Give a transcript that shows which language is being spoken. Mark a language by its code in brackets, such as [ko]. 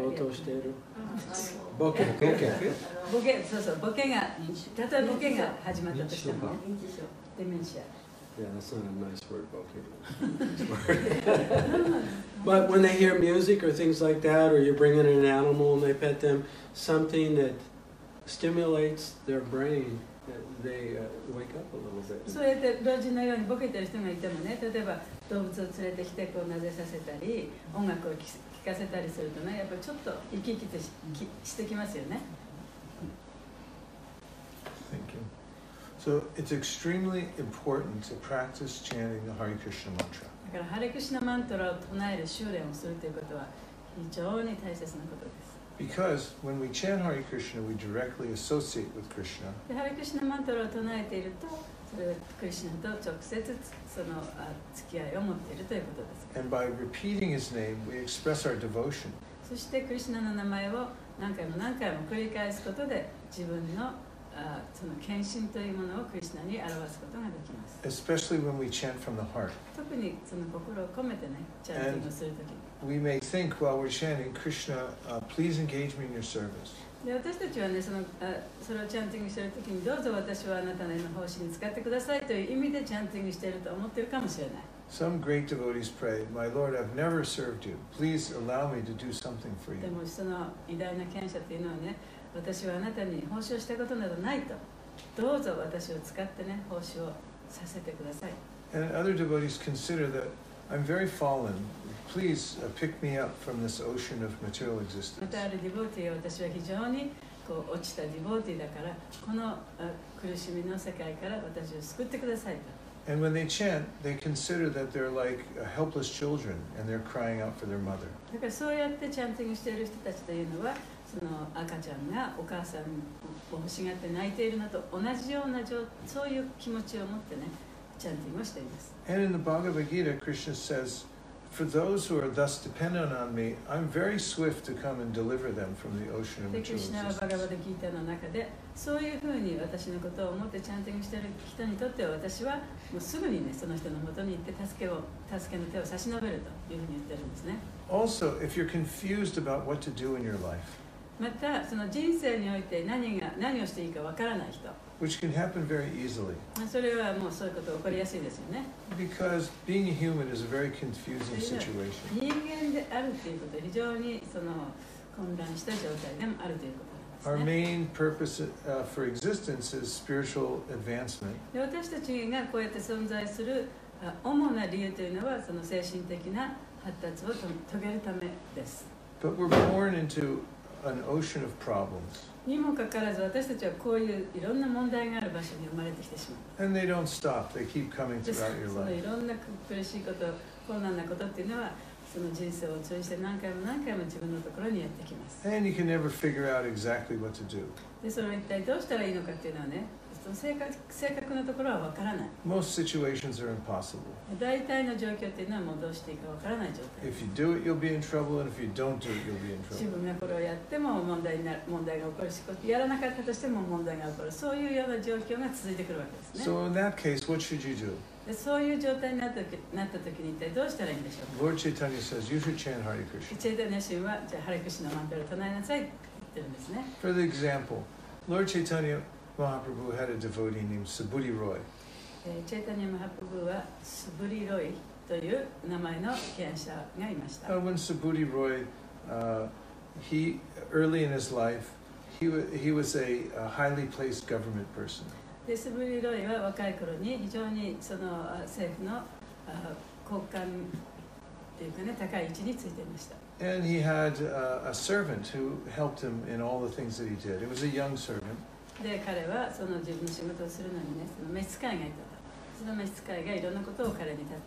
[ja] 冒頭しているボケボケボケそうそうボケがたとえボケが始まったとしても、ね、デメンシア [en] Yeah, that's not a nice word, bokeh. But when they hear music or things like that, or you bring in an animal and they pet them, something that stimulates their brain, they wake up a little bit. [ja] そうやって老人のようにボケてる人がいてもね、例えば動物を連れてきてこうなでさせたり、音楽を聞かせたりするとね、やっぱちょっと生き生きとしてきますよね。 [en] Thank you. So it's extremely important to practice chanting the Hare Krishna mantra. [ja] だからハレクリシュナマントラを唱える修練をするということは非常に大切なことです。 [en] Because when we chant Hare Krishna, we directly associate with Krishna. [ja] でハレクリシュナマントラを唱えているとそれはクリシュナと直接その付き合いを持っているということです。 [en] And by repeating his name, we express our devotion. [ja] そしてクリシュナの名前を何回も何回も繰り返すことで自分のその献身というものをクリシナに表すことができます。 [en] Especially when we chant from the heart. [ja] 特にその心を込めてね、チャンティングをするとき。 [en] We may think while we're chanting, Krishna, please engage me in your service. [ja] で私たちはね、それをチャンティングしているときに、どうぞ私はあなたの奉仕に使ってくださいという意味でチャンティングしていると思っているかもしれない。 [en] Some great devotees pray, My Lord, I've never served you. Please allow me to do something for you. [ja] でもその偉大な献者というのはね、私はあなたに奉仕をしたことなどないと。どうぞ私を使ってね、奉仕をさせてください。 [en] And other devotees consider that I'm very fallen. Please pick me up from this ocean of material existence. [ja] またあるディボーティーは私は非常にこう落ちたディボーティーだから、この苦しみの世界から私を救ってくださいと。 [en] And when they chant, they consider that they're like helpless children and they're crying out for their mother. [ja] だからそうやってチャンティングしている人たちというのは、その赤ちゃんがお母さんを欲しがって泣いているのと同じようなそういう気持ちを持ってね、チャンティングをしています。 [en] And in the Bhagavad Gita, Krishna says, For those who are thus dependent on me, I'm very swift to come and deliver them from the ocean of material existence. [ja] で、クリシュナはバガヴァギーターの中で、そういうふうに私のことを思ってチャンティングしている人にとっては、私はもうすぐにね、その人のもとに行って助けの手を差し伸べるというふうに言ってるんですね。 [en] Also, if you're confused about what to do in your life, [ja] またその人生において何をしていいかわからない人、 [en] which can happen very easily. [ja] それはもうそういうこと起こりやすいですよね。 [en] Because being a human is a very confusing situation. [ja] 人間であるということは非常にその混乱した状態でもあるということなんですね。 [en] Our main purpose for existence is spiritual advancement. [ja] で私たちがこうやって存在する主な理由というのはその精神的な発達を遂げるためです。 [en] But we're born into an ocean of problems. [ja] にもかかわらず私たちはこういういろんな問題がある場所に生まれてきてしまう。 [en] And they don't stop. They keep coming throughout your life. [ja] いろんな苦しいこと、困難なことっていうのはその人生を通じて何回も何回も自分のところにやってきます。 [en] And you can never figure out exactly what to do. [ja] で、それは一体どうしたらいいのかっていうのはね、その正確なところはわからない。 [en] Most situations are impossible. [ja] 大体の状況っていうのはもうどうしていいかわからない状態。 [en] If you do it, you'll be in trouble, and if you don't do it, you'll be in trouble. [ja] 自分がこれをやっても問題が起こるし、やらなかったとしても問題が起こる。そういうような状況が続いてくるわけですね。 [en] So in that case, what should you do? [ja] で、そういう状態になった時に一体どうしたらいいんでしょうか。 [en] Lord Chaitanya says, you should chant Hare Krishna. [ja] Chaitanya Shin は、じゃあ、ハレクリシュナマントラを唱えなさいって言ってるんですね。 [en] For the example, Lord Chaitanya,Mahaprabhu had a devotee named Subhuti Roy. [ja] Chaitanya Mahaprabhu は Subhuti Roy という名前の献者がいました。 [en] When Subhuti Roy, he early in his life, he was a highly placed government person. [ja] で、Subhuti Roy は若い頃に非常にその政府の高官というかね、高い位置についていました。 [en] And he had a servant who helped him in all the things that he did. It was a young servant. [ja] で彼はその自分の仕事をするのにね、その召使いがいたと。その召使いがいろんなことを彼に